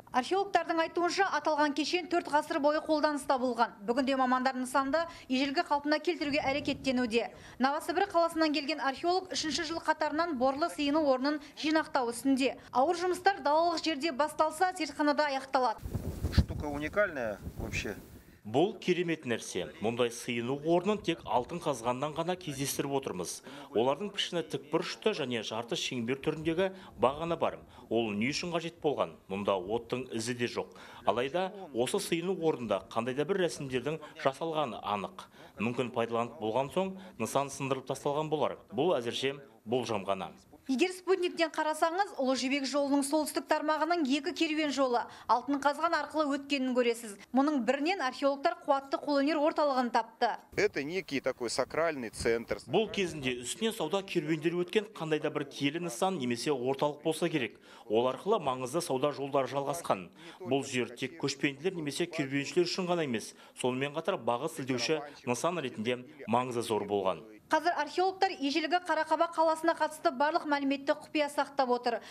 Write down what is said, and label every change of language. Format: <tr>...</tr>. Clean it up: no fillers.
<kk>Археологтардың айтуынша аталған кешен 4 ғасыр бойы қолданыста болған. Бүгінде мамандар нысанды ежелгі қалпына келтіруге әрекеттенуде. Новосібір қаласынан келген археолог 3-ші жыл қатарынан борлы сыйыну орнын жинақтау үстінде. Ауыр жұмыстар далалық жерде басталса зертханада аяқталады.</kk> <ru>Штука уникальная вообще.</ru> <kk>Бұл керемет нәрсе. Мұндай сыйыну орнын тек алтын қазғаннан ғана кездестіріп отырмыз. Олардың пішіні тік бұрышты және жарты шеңбер түріндегі бағаны бар. Ол не үшін қажет болған? Мұнда оттың ізі де жоқ. Алайда осы сыйыну орнында қандайда бір рәсімдердің жасалғаны анық. Мүмкін пайдаланып болған соң нысан сындырып тасталған болар. Бұл әзірше болжам ғана. Егер спутниктен қарасаңыз, Ұлы Жібек жолының солтүстік тармағының екі керуен жолы алтын қазған арқылы өткенін көресіз. Мұның бірінен археологтар қуатты қолөнер орталығын тапты.</kk> <ru>Это некий такой сакральный центр.</ru> <kk>Бұл кезінде үстінен сауда керуендері өткен қандайда бір киелі нысан немесе орталық болса керек. Ол арқылы маңызды сауда жолдары жалғасқан. Бұл жер тек көшпенділер немесе керуеншілер үшін ғана емес, сонымен қатар бағы сілтеуші нысан ретінде маңызы зор болған. Қазір археологтар ежелгі Қарақаба қаласына қатысты барлық мәліметті құпия сақтап отыр.</kk>